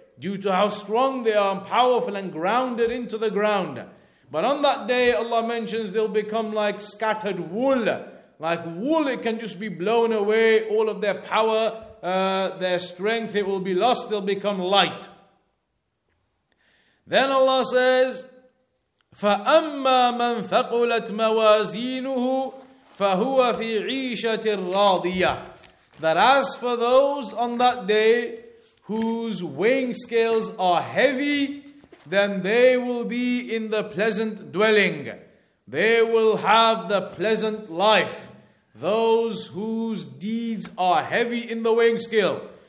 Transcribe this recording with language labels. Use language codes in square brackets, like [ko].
[en] due to how strong they are and powerful and grounded into the ground. But on that day, Allah mentions they'll become like scattered wool. Like wool, it can just be blown away, all of their power, their strength, it will be lost, they'll become light. Then Allah says, [ar] فَأَمَّا مَنْ ثَقُلَتْ مَوَازِينُهُ فَهُوَ فِي عِيشَةٍ رَاضِيَةٍ. [en] That as for those on that day whose weighing scales are heavy, then they will be in the pleasant dwelling. They will have the pleasant life. Those whose deeds are heavy in the weighing scale.